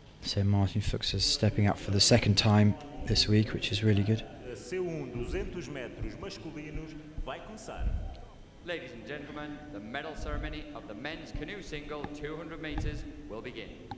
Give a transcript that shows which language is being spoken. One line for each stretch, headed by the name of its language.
English: So Martin Fuchs is stepping up for the second time this week, which is really good.
Portuguese: The C1 200 metros masculinos vai começar.
English: Ladies and gentlemen, the medal ceremony of the men's canoe single 200 meters will begin.